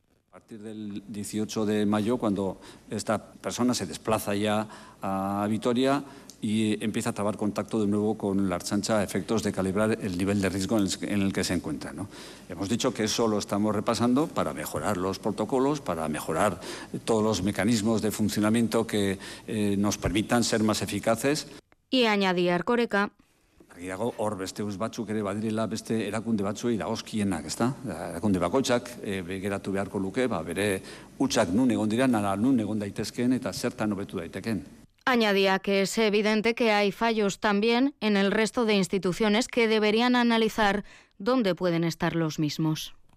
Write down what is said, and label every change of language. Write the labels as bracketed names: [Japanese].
[Spanish] A partir del 18 de mayo, cuando esta persona se desplaza ya a Vitoria y empieza a trabar contacto de nuevo con la Ertzaintza a efectos de calibrar el nivel de riesgo en el que se encuentra, ¿no? Hemos dicho que eso lo estamos repasando para mejorar los protocolos, para mejorar todos los mecanismos de funcionamiento que nos permitan ser más eficaces. Y añadía Erkoreka, [Basque] gehiago hor beste uz batzuk ere badirela, beste erakunde batzuei dagozkienak, ezta? Erakunde bakoitzak begeratu beharko luke, bere hutsak nun egon diran, ala nun egon daitezkeen eta zertan hobetu daiteken. [Spanish] Añadía que es evidente que hay fallos también en el resto de instituciones que deberían analizar dónde pueden estar los mismos.